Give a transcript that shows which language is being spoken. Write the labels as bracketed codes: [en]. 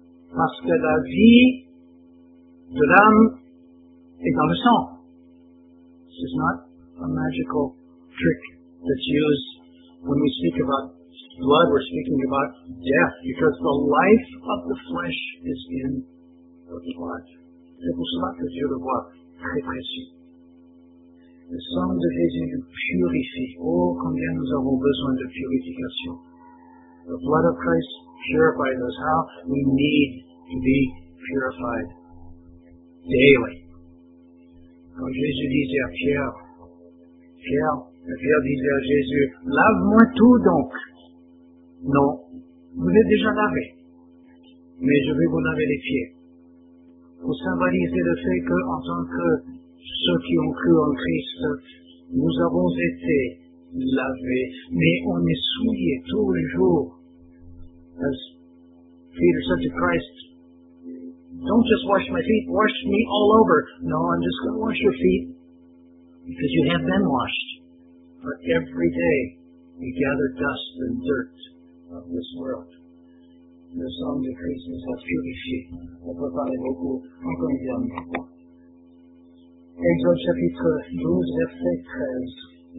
[fr] Parce que la vie de l'âme est dans le sang. [en] This is not a magical trick that's used when we speak about blood, we're speaking about death, because the life of the flesh is in the blood. [fr] C'est pour cela que Dieu le voit très précis. Le sang de Jésus nous purifie. Oh, combien nous avons besoin de purification. The blood of Christ purifies us. How we need to be purified daily. Quand Jésus disait à Pierre disait à Jésus, lave-moi tout donc. Non, vous l'êtes déjà lavé. Mais je vais vous laver les pieds. Pour symboliser le fait que, en tant que ceux qui ont cru en Christ, nous avons été lavés, mais on est souillés tous les jours. [en] As Peter said to Christ, don't just wash my feet, wash me all over. No, I'm just going to wash your feet, because you have been washed. But every day, we gather dust and dirt of this world. [fr] Le sang de Christ nous a purifié. On peut parler beaucoup, encore une dernière fois. Exode chapitre 12, verset 13.